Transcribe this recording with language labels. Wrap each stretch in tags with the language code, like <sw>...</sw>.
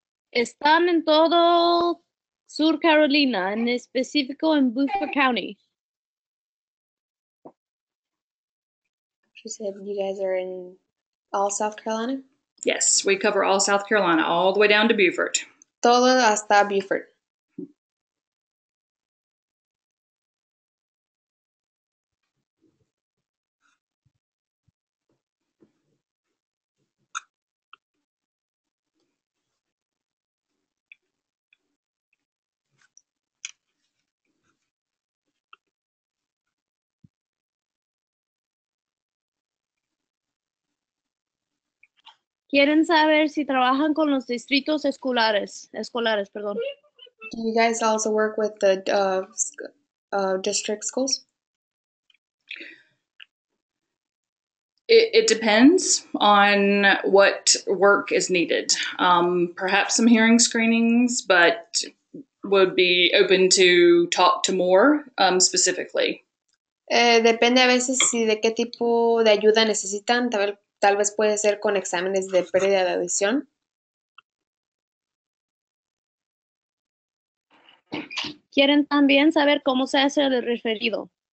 <es>Están en todo Sur Carolina, en específico en Buford County.</es> <en>She said you guys are in all South Carolina? Yes, we cover all South Carolina, all the way down to Buford.</en> <es>Todo hasta Buford. Quieren saber si trabajan con los distritos escolares, perdón.</es> <en>Do you guys also work with the district schools? It depends on what work is needed. Perhaps some hearing screenings, but would be open to talk to more specifically.</en> <es>Depende a veces si de qué tipo de ayuda necesitan, tal vez puede ser con exámenes de pérdida de audición. Quieren también saber cómo se hace el referido.</es>